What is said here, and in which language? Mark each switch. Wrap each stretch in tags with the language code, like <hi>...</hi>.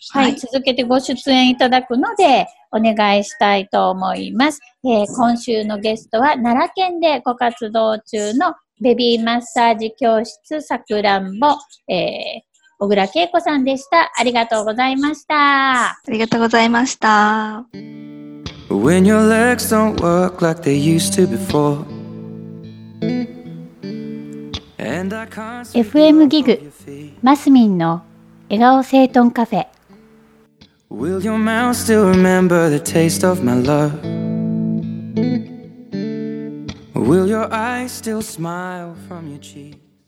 <ja>はい、続けてご出演いただくのでお願いしたいと思います。今週のゲストは奈良県でご活動中のベビーマッサージ教室さくらんぼ、小倉恵子さんでした。ありがとうございました。ありがとうございました。</ja> <en>When your legs don't work like they used to before</en> <ja>FM ギグマスミンの笑顔整頓カフェ。</ja> <en>Will your mouth still remember the taste of my love? Will your eyes still smile from your cheek?</en>